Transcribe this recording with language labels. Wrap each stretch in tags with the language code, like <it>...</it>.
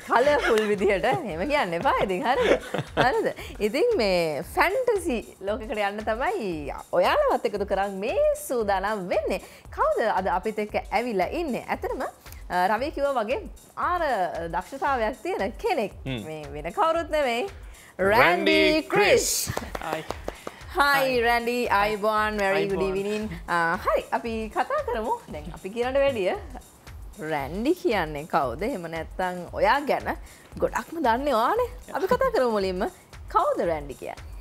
<si>Colourful විදිහට එහෙම කියන්න එපා. ඉතින් හරිද? ඉතින් මේ ෆැන්ටසි ලෝකයකට යන්න තමයි ඔයාලවත් එකතු කරන් මේ සූදානම් වෙන්නේ. කවුද අද අපිත් එක්ක ඇවිල්ලා ඉන්නේ? ඇත්තටම රවි කිව්වා වගේ ආර දක්ෂතාවයක් තියෙන කෙනෙක්. මේ වෙන කවුරුත් නෙමෙයි.</si> <en>Randy Chris. Hi Randy, Ivan, very good evening.</en> <si>Hi, අපි කතා කරමු. දැන් අපි කියන්න වැඩිය Randy කියන්නේ කවුද? එහෙම නැත්නම් ඔයා ගැන ගොඩක්ම දන්නේ ඔයානේ. අපි කතා කරමු මුලින්ම කවුද Randy කියන්නේ?</si>